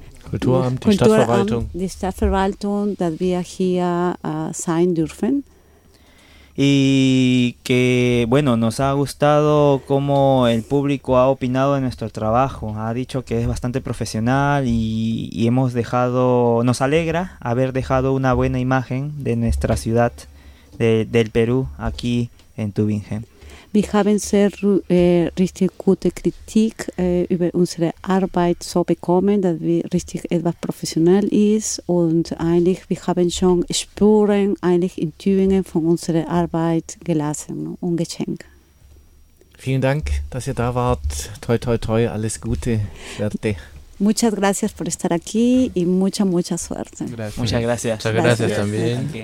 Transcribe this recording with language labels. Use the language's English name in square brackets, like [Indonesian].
[German] Kulturamt, die Stadtverwaltung. Die Stadtverwaltung, dass wir hier sein dürfen. [Spanish] Y que bueno, nos ha gustado cómo el público ha opinado en nuestro trabajo. Ha dicho que es bastante profesional y hemos dejado, nos alegra haber dejado una buena imagen de nuestra ciudad. Del Perú, aquí en Tübingen. [German] Wir haben sehr richtig gute Kritik über unsere Arbeit so bekommen, dass wir richtig etwas professionell ist und eigentlich wir haben schon Spuren eigentlich in Tübingen von unserer Arbeit gelassen und geschenkt. Vielen Dank, dass ihr da wart. Toi, toi, toi, alles Gute. [Spanish] Suerte. Muchas gracias por estar aquí y mucha, mucha suerte. Gracias. Muchas gracias. Muchas gracias también. Okay.